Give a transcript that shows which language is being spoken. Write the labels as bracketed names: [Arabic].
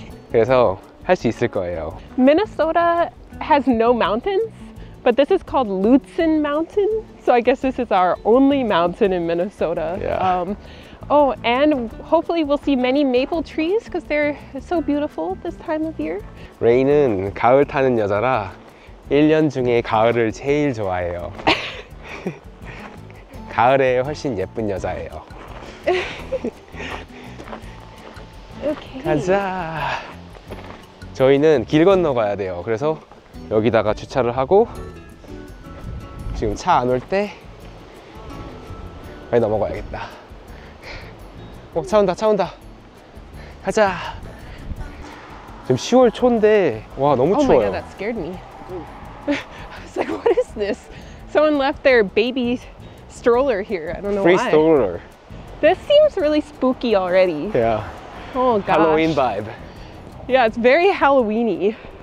[Korean] 그래서 할 수 있을 거예요. [English] Minnesota has no mountains, but this is called Lutzen Mountain, so I guess this is our only mountain in Minnesota. Yeah. And hopefully we'll see many maple trees because they're so beautiful this time of year. [Korean] Raye는 가을 타는 여자라 1년 중에 가을을 제일 좋아해요. 가을에 훨씬 예쁜 여자예요. [English] Okay. [Korean] 가자. 저희는 길 건너가야 돼요. 그래서 여기다가 주차를 하고 지금 차 안 올 때 빨리 넘어가야겠다. 차 온다, 차 온다. 가자. 지금 10월 초인데 와 너무 추워요. [English] Oh my god, that scared me. I was like, what is this? Someone left their baby. Stroller here. I don't know Free why. Free stroller. This seems really spooky already. Yeah. Oh gosh. Halloween vibe. Yeah, it's very Halloween-y.